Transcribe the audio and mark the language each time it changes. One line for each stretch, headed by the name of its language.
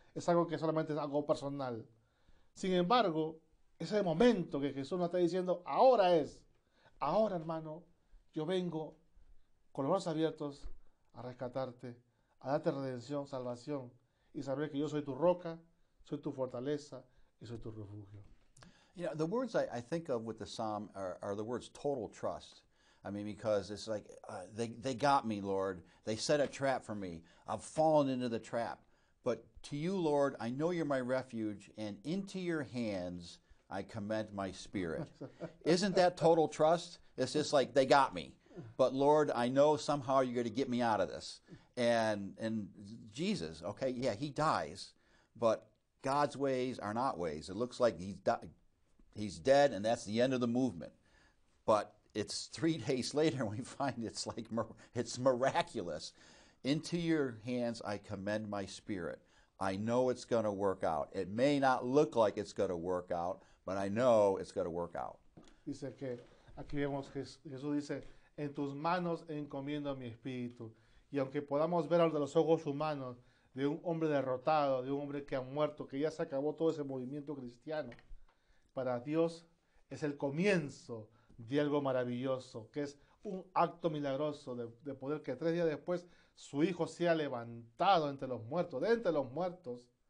Spanish: es algo que solamente es algo personal. Sin embargo, es el momento que Jesús nos está diciendo, ahora es, ahora hermano, yo vengo con los brazos abiertos a rescatarte, a darte redención, salvación, y saber que yo soy tu roca, soy tu fortaleza, y soy tu refugio.
English: You know, the words I think of with the psalm are the words total trust. I mean, because it's like, they got me, Lord. They set a trap for me. I've fallen into the trap. But to you, Lord, I know you're my refuge, and into your hands I commend my spirit. Isn't that total trust? It's just like, they got me. But Lord, I know somehow you're going to get me out of this. And Jesus, okay, yeah, he dies. But God's ways are not ways. It looks like he's dead, and that's the end of the movement. But it's 3 days later, and we find it's miraculous. Into your hands I commend my spirit. I know it's going to work out. It may not look like it's going to work out, but I know it's going to work out.
Spanish: Dice que, aquí vemos Jesús dice, en tus manos encomiendo mi espíritu. Y aunque podamos ver de los ojos humanos de un hombre derrotado, de un hombre que ha muerto, que ya se acabó todo ese movimiento cristiano, para Dios es el comienzo de algo maravilloso, que es un acto milagroso de poder que 3 días después su hijo sea levantado entre los muertos, de entre los muertos.